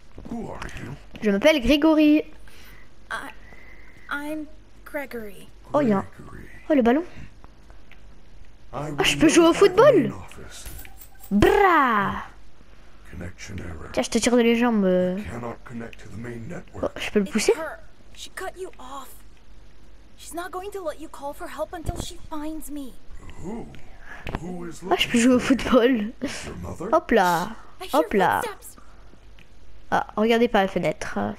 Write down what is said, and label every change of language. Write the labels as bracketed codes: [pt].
[en] Who are you? [fr] Je m'appelle Grégory. [en] I'm Gregory. [fr] Oh, y'a un... Oh, le ballon. Oh, je peux jouer au football. Bra. [en] Connection error. [fr] Tiens, je te tire de les jambes. [en] I cannot connect to the main network. [fr] Oh, je peux le pousser? [en] She cut you off. She's not going to let you call for help until she finds me. Who? [fr] Ah, je peux jouer au football. Hop là. Hop là. Ah, regardez par la fenêtre.